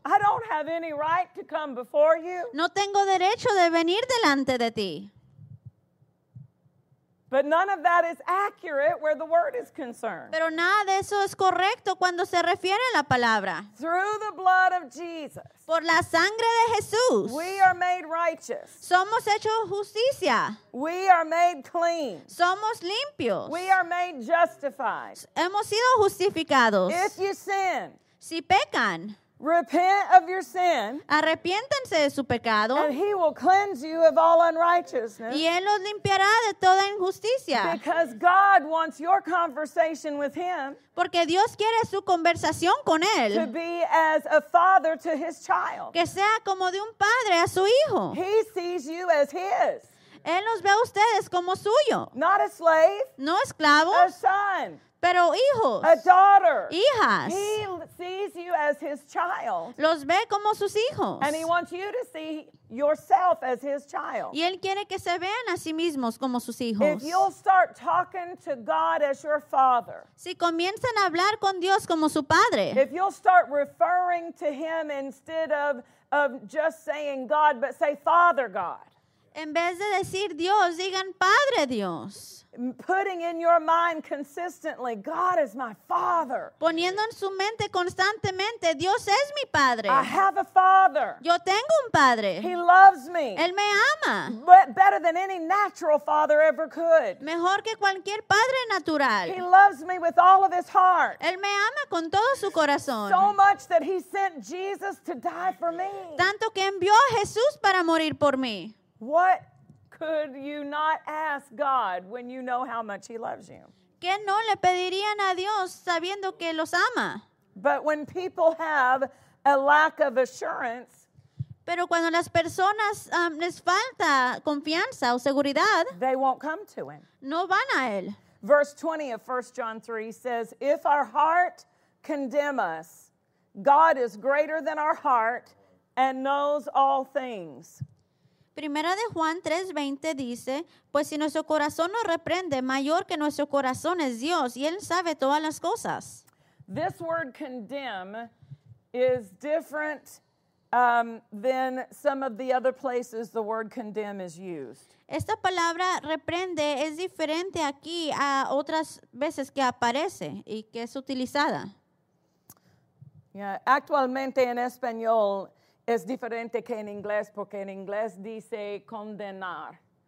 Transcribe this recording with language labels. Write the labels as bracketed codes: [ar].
[en] I don't have any right to come before you. [es] No tengo derecho de venir delante de ti. [en] But none of that is accurate where the word is concerned. [es] Pero nada de eso es correcto cuando se refiere a la palabra. [en] Through the blood of Jesus. [es] Por la sangre de Jesús. [en] We are made righteous. [es] Somos hechos justicia. [en] We are made clean. [es] Somos limpios. [en] We are made justified. [es] Hemos sido justificados. [en] If you sin. [es] Si pecan. [en] Repent of your sin. [es] Arrepiéntanse de su pecado. [en] And he will cleanse you of all unrighteousness. [es] Y él los limpiará de toda injusticia. [en] Because God wants your conversation with him. [es] Porque Dios quiere su conversación con él. [en] To be as a father to his child. [es] Que sea como de un padre a su hijo. [en] He sees you as his. [es] Él los ve a ustedes como suyo. [en] Not a slave. [es] No esclavo. [en] A son. [es] Pero hijos, [en] a daughter, [es] hijas, [en] he sees you as his child, [es] los ve como sus hijos, [en] and he wants you to see yourself as his child. [es] Y él quiere que se vean a sí mismos como sus hijos. [en] If you'll start talking to God as your father, [es] si comienzan a hablar con Dios como su padre, [en] if you'll start referring to him instead of just saying God, but say Father God. [es] En vez de decir Dios, digan Padre Dios. [en] Putting in your mind consistently, God is my Father. [es] Poniendo en su mente constantemente, Dios es mi Padre. [en] I have a Father. [es] Yo tengo un Padre. [en] He loves me. [es] Él me ama. [en] Better than any natural father ever could. [es] Mejor que cualquier padre natural. [en] He loves me with all of his heart. [es] Él me ama con todo su corazón. [en] So much that he sent Jesus to die for me. [es] Tanto que envió a Jesús para morir por mí. [en] What could you not ask God when you know how much he loves you? [es] ¿Qué no le pedirían a Dios sabiendo que los ama? [en] But when people have a lack of assurance, [es] pero cuando las personas les falta confianza o seguridad, [en] they won't come to him. [es] No van a él. [en] Verse 20 of 1 John 3 says, if our heart condemn us, God is greater than our heart and knows all things. [es] Primera de Juan 3:20 dice, pues si nuestro corazón nos reprende, mayor que nuestro corazón es Dios, y Él sabe todas las cosas. [en] This word condemn is different than some of the other places the word condemn is used. [es] Esta palabra reprende es diferente aquí a otras veces que aparece y que es utilizada. Yeah, actualmente en español es diferente que en inglés, porque en inglés dice condenar.